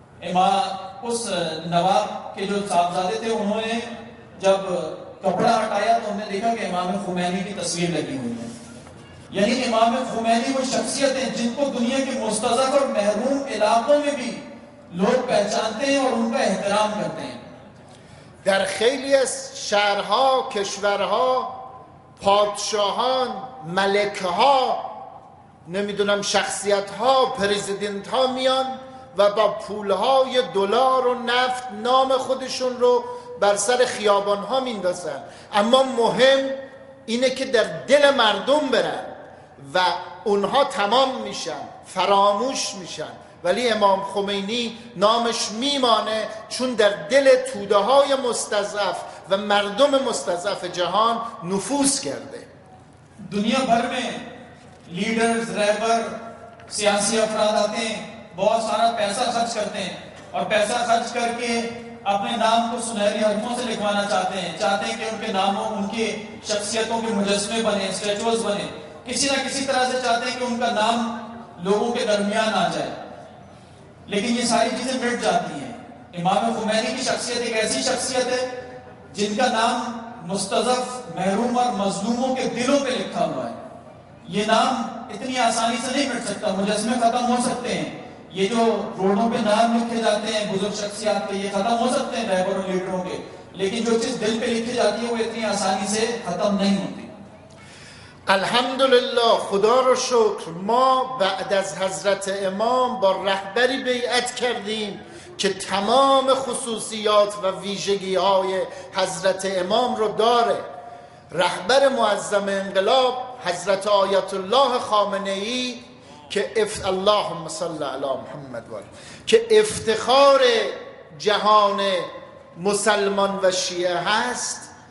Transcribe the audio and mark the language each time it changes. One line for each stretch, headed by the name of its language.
Urdu: امام اس نواب کے جو صاحبزادے تھے انہوں نے جب کپڑا ہٹایا تو ہم نے دیکھا کہ امام خمینی کی تصویر لگی ہوئی ہے. یعنی امام خمینی وہ شخصیت ہیں جن کو دنیا کے مستضعف اور محروم علاقوں میں بھی لوگ پہچانتے ہیں اور ان کا احترام کرتے ہیں.
Persian: در خیلی از شہرها، کشورها، پادشاهان، ملکها، نمیدونم شخصیتها، پرزیدنتها میان و با پولهای دلار و نفت نام خودشون رو بر سر خیابانها میندازن. اما مهم اینه که در دل مردم برن و اونها تمام میشن، فراموش میشن. ولی امام خمینی نامش میمانه چون در دل توده های مستضعف و مردم مستضعف جهان نفوذ کرده.
Urdu: دنیا بھر میں لیڈرز، رہبر، سیاسی افراد آتے ہیں، بہت سارا پیسہ خرچ کرتے ہیں اور پیسہ خرچ کر کے اپنے نام کو سنہری حرفوں سے لکھوانا چاہتے ہیں، چاہتے ہیں کہ ان کے ناموں، ان کی شخصیتوں کے مجسمے بنے، اسٹیچوز بنے، کسی نہ کسی طرح سے چاہتے ہیں کہ ان کا نام لوگوں کے درمیان آ جائے. لیکن یہ ساری چیزیں مٹ جاتی ہیں. امام خمینی کی شخصیت ایک ایسی شخصیت ہے جن کا نام مستضعف، محروم اور مظلوموں کے دلوں پہ لکھا ہوا ہے. یہ نام اتنی آسانی سے نہیں مٹ سکتا، مجسمے ختم ہو سکتے ہیں. یہ جو روڈوں پہ نام لکھے جاتے ہیں بزرگ شخصیات کے، یہ ختم ہو سکتے ہیں رہبروں اور لیڈروں کے، لیکن جو چیز دل پہ لکھی جاتی ہے وہ اتنی آسانی سے ختم نہیں ہوتی.
Persian: الحمدللہ، خدا رو شکر، ما بعد از حضرت امام با رهبری بیعت کردیم که تمام خصوصیات و ویژگی های حضرت امام رو داره. رهبر معظم انقلاب حضرت آیت الله خامنه ای که اللهم صل علی محمد و آل که افتخار جهان مسلمان و شیعه هست.